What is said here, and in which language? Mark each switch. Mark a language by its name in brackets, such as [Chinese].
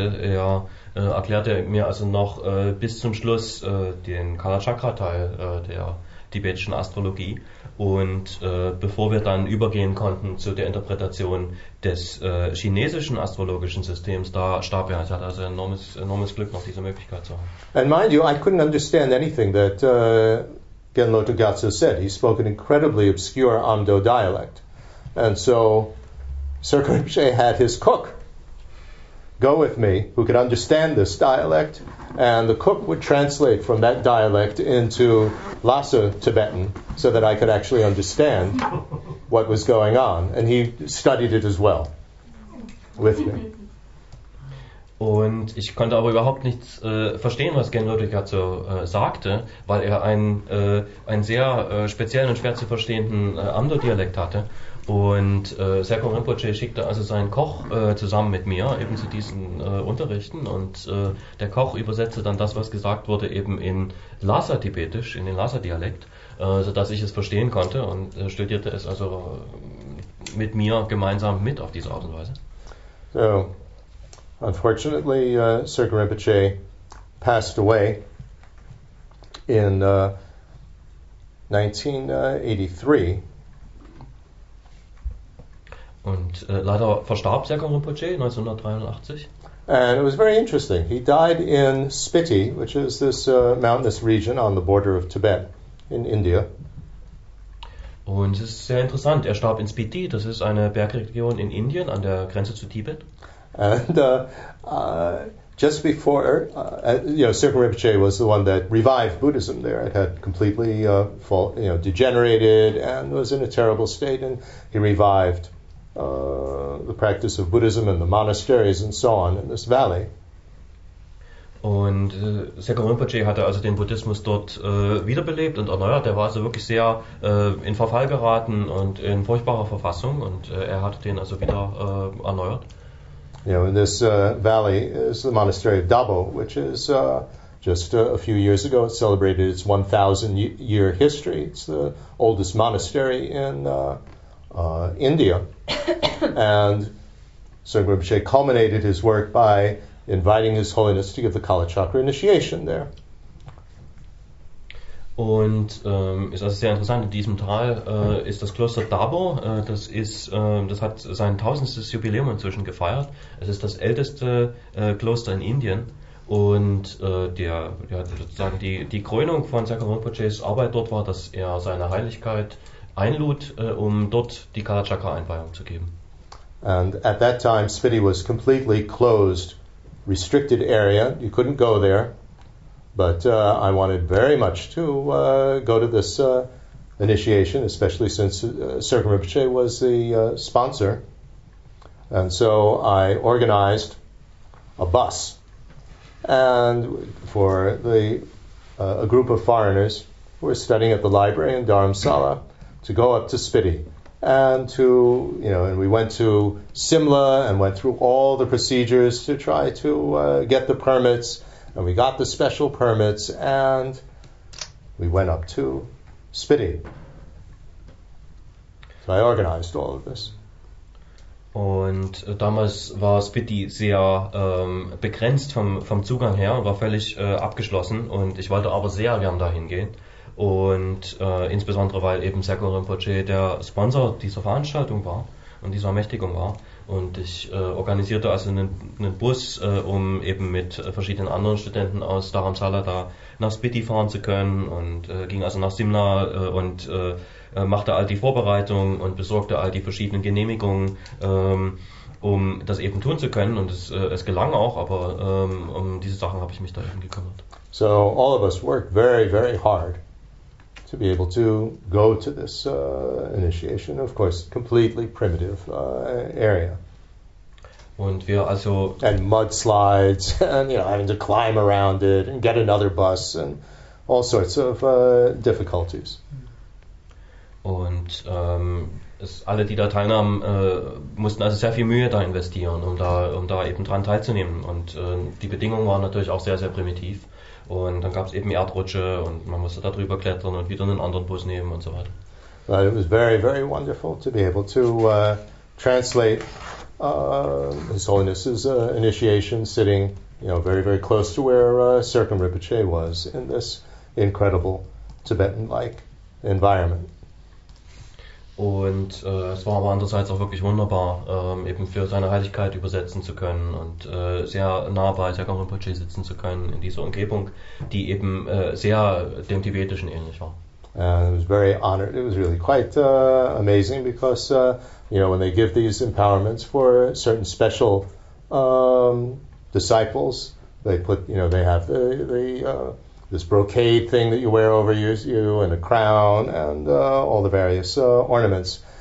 [German] Er erklärte mir also noch bis zum Schluss den Kalachakra-Teil der tibetischen Astrologie. Und bevor wir dann übergehen konnten zu der Interpretation des chinesischen astrologischen Systems, da starb er. Ich hatte also enormes Glück, noch diese Möglichkeit zu haben. [English] And mind you, I couldn't understand anything that Gen Lotro Gyatso said. He spoke an incredibly obscure Amdo dialect. And so Sirkin Rinpoche had his cook go with me, who could understand this dialect, and the cook would translate from that dialect into Lhasa Tibetan so that I could actually understand what was going on, and he studied it as well with me. [German] Und ich konnte aber überhaupt nichts verstehen, was Gen Lotro Gyatso sagte, weil er einen sehr speziellen und schwer zu verstehenden Amdo-Dialekt hatte. Und Sirkin Rinpoche schickte also seinen Koch zusammen mit mir eben zu diesen Unterrichten, und der Koch übersetzte dann das, was gesagt wurde, eben in Lhasa-Tibetisch, in den Lhasa-Dialekt, sodass ich es verstehen konnte, und studierte es also mit mir gemeinsam mit auf diese Art und Weise. [English] So, unfortunately, Sirkin Rinpoche passed away in 1983. [German] Und leider verstarb Sirkin Rinpoche 1983. [English] And it was very interesting. He died in Spiti, which is this mountainous region on the border of Tibet in India. [German] Und es ist sehr interessant. Er starb in Spiti. Das ist eine Bergregion in Indien an der Grenze zu Tibet. [English] And just before, Sirpa Rinpoche was the one that revived Buddhism there. It had completely degenerated and was in a terrible state, and he revived the practice of Buddhism and the monasteries and so on in this valley. [German] Und Sirpa Rinpoche hatte also den Buddhismus dort wiederbelebt und erneuert. Er war also wirklich sehr in Verfall geraten und in furchtbarer Verfassung, und er hatte den also wieder erneuert. [English] You know, in this valley is the monastery of Dabo, which is just a few years ago it celebrated its 1,000-year history. It's the oldest monastery in India. And Sirpa Rinpoche culminated his work by inviting His Holiness to give the Kalachakra initiation there. [German] Und ist also sehr interessant, in diesem Tal ist das Kloster Dabo, das hat sein 1000. Jubiläum inzwischen gefeiert. Es ist das älteste Kloster in Indien, und die Krönung von Sirpa Rinpoches Arbeit dort war, dass er seine Heiligkeit einlud, um dort die Kalachakra-Einweihung zu geben. [English] And at that time Spiti was completely closed, restricted area, you couldn't go there. But I wanted very much to go to this initiation, especially since Sirpa Rinpoche was the sponsor. And so I organized a bus and for a group of foreigners who were studying at the library in Dharamsala to go up to Spiti. And and we went to Simla and went through all the procedures to try to get the permits. And we got the special permits, and we went up to Spiti. So I organized all of this. [German] Und damals war Spiti sehr begrenzt vom Zugang her, war völlig abgeschlossen. Und ich wollte aber sehr gern dahin gehen. Und insbesondere, weil eben Sirpa Rinpoche der Sponsor dieser Veranstaltung war und dieser Ermächtigung war. Und ich organisierte also einen Bus, um eben mit verschiedenen anderen Studenten aus Dharamsala da nach Spiti fahren zu können, und ging also nach Simla und machte all die Vorbereitungen und besorgte all die verschiedenen Genehmigungen, um das eben tun zu können. Und es gelang auch, aber um diese Sachen habe ich mich da eben gekümmert. [English] So all of us worked very, very hard to be able to go to this initiation, of course, completely primitive area. [German] Und wir also, [English] and mudslides, and having to climb around it and get another bus and all sorts of difficulties. [German] Und alle, die da teilnahmen, mussten also sehr viel Mühe da investieren, um da eben dran teilzunehmen. Und die Bedingungen waren natürlich auch sehr, sehr primitiv. Und dann gab es eben Erdrutsche, und man musste da drüber klettern und wieder einen anderen Bus nehmen und so weiter. [English] But it was very, very wonderful to be able to translate His Holiness's initiation, sitting very, very close to where Sirpa Rinpoche was, in this incredible Tibetan-like environment. [German] Und es war aber andererseits auch wirklich wunderbar, eben für seine Heiligkeit übersetzen zu können und sehr nah bei Sirpa Rinpoche sitzen zu können in dieser Umgebung, die eben sehr dem Tibetischen ähnlich war. [English] And it was very honored. It was really quite amazing because, when they give these empowerments for certain special disciples, they put, they have this brocade thing that you wear over you and a crown and all the various ornaments.